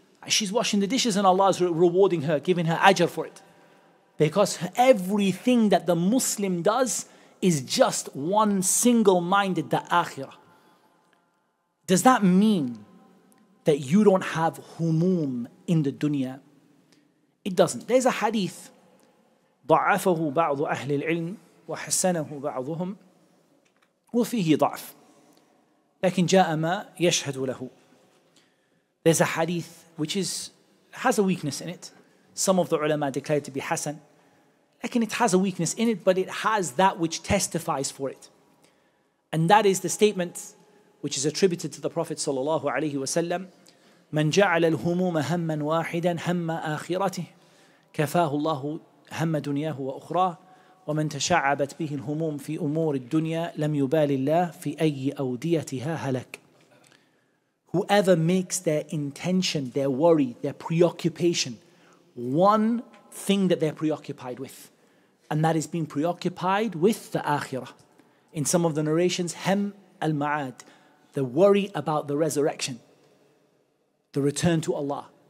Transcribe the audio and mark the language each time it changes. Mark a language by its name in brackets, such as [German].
[English] She's washing the dishes and Allah is rewarding her, giving her ajr for it. Because everything that the Muslim does is just one single-minded, the akhirah. Does that mean that you don't have humum in the dunya? It doesn't. There's a hadith. [Arabic] ضعفه بعض أهل العلم وحسنه بعضهم وفيه ضعف لكن جاء ما يشهد له. [English] There's a hadith which has a weakness in it. Some of the ulama declared to be hasan, [Arabic] لكن [English] it has a weakness in it, but it has that which testifies for it. And that is the statement which is attributed to the Prophet [Arabic] صلى الله عليه وسلم, من جعل الهموم هما واحدا هما آخرته كفاه الله هم دنياه وأخرى ومن تشعبت به الهموم في أمور الدنيا لم يبال الله في أي أوديتها هلك. [English] Whoever makes their intention, their worry, their preoccupation, one thing that they're preoccupied with, and that is being preoccupied with the akhirah. In some of the narrations, hem al-ma'ad, the worry about the resurrection, the return to Allah.